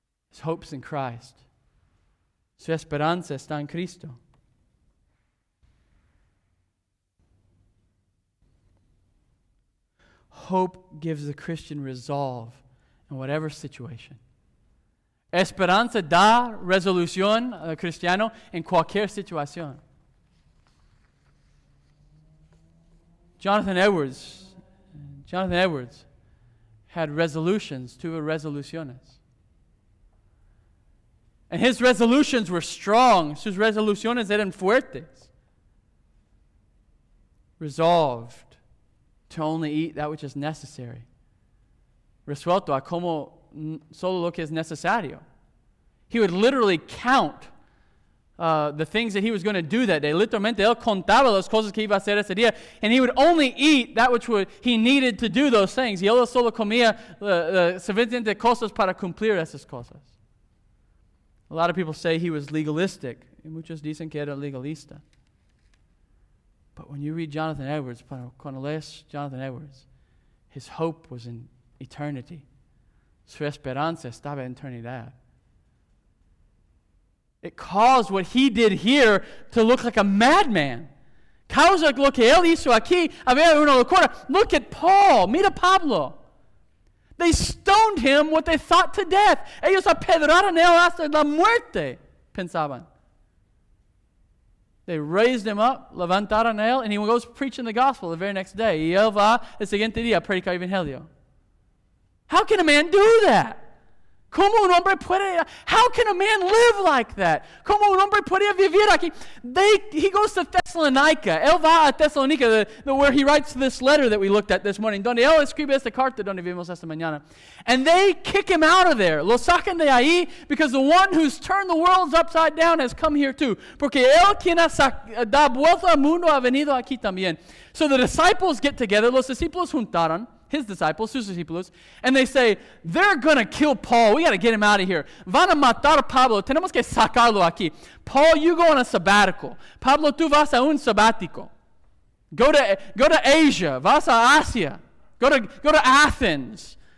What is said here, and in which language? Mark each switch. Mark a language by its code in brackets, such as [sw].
[es] His hope's in Christ. Su esperanza está en Cristo. [en] Hope gives the Christian resolve in whatever situation. [es] Esperanza da resolución al cristiano en cualquier situación. [en] Jonathan Edwards had resolutions, tuvo resoluciones. And his resolutions were strong, sus resoluciones eran fuertes. Resolved to only eat that which is necessary. [es] Resuelto a como solo lo que es necesario. [en] He would literally count the things that he was going to do that day. [es] Literalmente, él contaba las cosas que iba a hacer ese día. [en] And he would only eat that which he needed to do those things. [es] Y él solo comía suficiente cosas para cumplir esas cosas. [en] A lot of people say he was legalistic. Y muchos dicen que era legalista. But when you read Jonathan Edwards, cuando lees Jonathan Edwards, his hope was in eternity. [es] Su esperanza estaba en eternidad. [en] It caused what he did here to look like a madman. [es] Causa lo que él hizo aquí, a ver una locura. [en] Look at Paul. Mira Pablo. They stoned him what they thought to death. Ellos apedraron él hasta la muerte, pensaban. They raised him up, levantaron él, and he goes preaching the gospel the very next day. [es] Y él va el siguiente día a predicar el evangelio. [en] How can a man do that? ¿Cómo un hombre puede, how can a man live like that? [es] ¿Cómo un hombre puede vivir aquí? He goes to Thessalonica. [en] Él va a Thessalonica, where he writes this letter that we looked at this morning. [es] Donde él escribe esta carta donde vivimos esta mañana. [en] And they kick him out of there. Lo sacan de ahí because the one who's turned the world upside down has come here too. [es] Porque él quien da vuelta al mundo ha venido aquí también. [en] So the disciples get together. Los discípulos juntaron. His disciples, sus discípulos, and they say, they're going to kill Paul. [es] We got to get him out of here. Van a matar a Pablo. Tenemos que sacarlo aquí. [en] Paul, you go on a sabbatical. Pablo, tú vas a un sabbático. Go to Asia. Vas a Asia. Go to Athens.